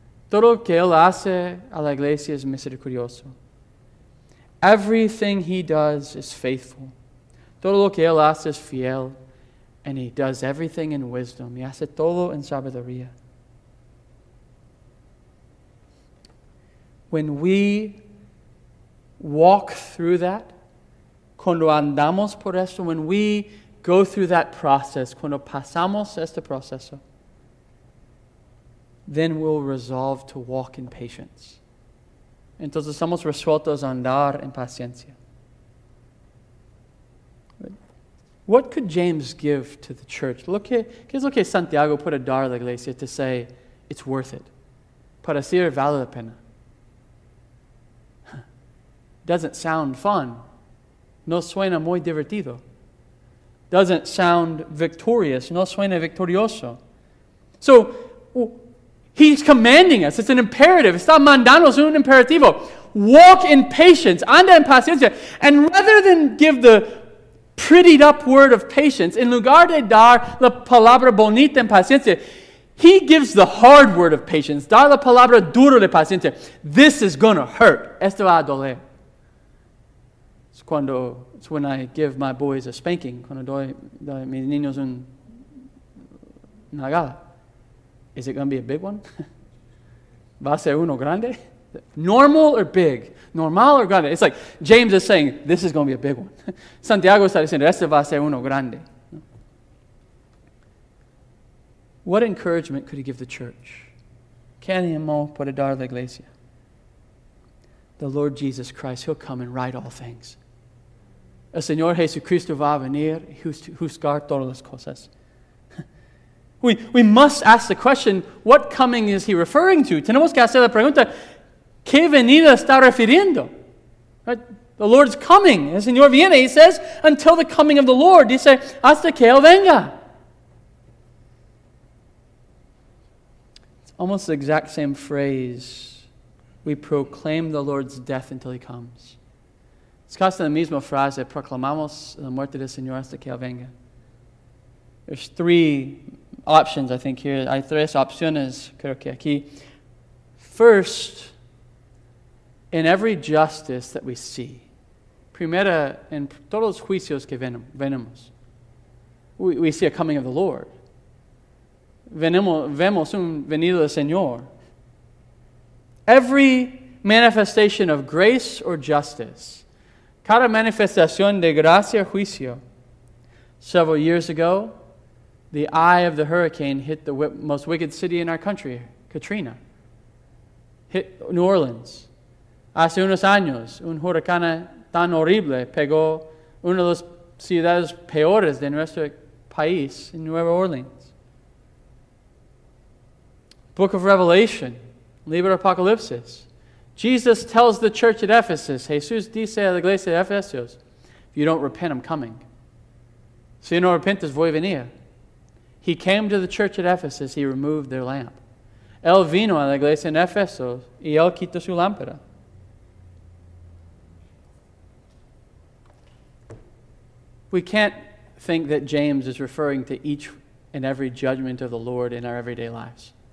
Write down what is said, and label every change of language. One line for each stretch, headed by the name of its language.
Spanish: Todo lo que él hace a la iglesia es misericordioso.
English: Everything he does is faithful.
Spanish: Todo lo que él hace es fiel.
English: And he does everything in wisdom.
Spanish: Y hace todo en sabiduría.
English: When we walk through that,
Spanish: cuando andamos por esto,
English: when we go through that process,
Spanish: cuando pasamos este proceso,
English: then we'll resolve to walk in patience.
Spanish: Entonces estamos resueltos a andar en paciencia.
English: What could James give to the church?
Spanish: ¿Qué es lo que Santiago puede dar a la iglesia
English: to say it's worth it?
Spanish: Para decir vale la pena.
English: Doesn't sound fun.
Spanish: No suena muy divertido.
English: Doesn't sound victorious.
Spanish: No suena victorioso.
English: So, he's commanding us. It's an imperative.
Spanish: Está mandándonos un imperativo.
English: Walk in patience.
Spanish: Anda en paciencia.
English: And rather than give the prettied up word of patience,
Spanish: en lugar de dar la palabra bonita en paciencia,
English: he gives the hard word of patience.
Spanish: Dar la palabra duro de paciencia.
English: This is going to hurt.
Spanish: Esto va a doler.
English: It's when I give my boys a spanking.
Spanish: Cuando doy mis niños un nalgada.
English: Is it going to be a big one?
Spanish: ¿Va a ser uno grande?
English: Normal or big? Normal or grande? It's like James is saying, this is going to be a big one.
Spanish: Santiago está diciendo, este va a ser uno grande.
English: What encouragement could he give the church?
Spanish: ¿Qué ánimo puede dar la iglesia?
English: The Lord Jesus Christ, he'll come and right all things.
Spanish: El Señor Jesucristo va a venir y juzgar todas las cosas.
English: We must ask the question, what coming is he referring to?
Spanish: Tenemos que hacer la pregunta, ¿qué venida está refiriendo?
English: Right? The Lord's coming.
Spanish: El Señor viene,
English: he says, until the coming of the Lord.
Spanish: Dice, hasta que él venga.
English: It's almost the exact same phrase. We proclaim the Lord's death until he comes.
Spanish: Es casi la misma frase, proclamamos la muerte del Señor hasta que él venga.
English: There's three options, I think, here.
Spanish: Hay tres opciones, creo que aquí.
English: First, in every justice that we see,
Spanish: primera en todos los juicios que venimos,
English: we see a coming of the Lord.
Spanish: Vemos un venido del Señor.
English: Every manifestation of grace or justice,
Spanish: cada manifestación de gracia o juicio.
English: Several years ago, the eye of the hurricane hit the most wicked city in our country, Katrina. Hit New Orleans.
Spanish: Hace unos años, un huracán tan horrible pegó una de las ciudades peores de nuestro país, en Nueva Orleans.
English: Book of Revelation,
Spanish: Libro Apocalipsis.
English: Jesus tells the church at Ephesus,
Spanish: Jesús dice a la iglesia de Efesios,
English: if you don't repent, I'm coming.
Spanish: Si no repentes, voy a venir.
English: He came to the church at Ephesus, he removed their lamp.
Spanish: Él vino a la iglesia en Éfeso y él quitó su lámpara.
English: We can't think that James is referring to each and every judgment of the Lord in our everyday lives.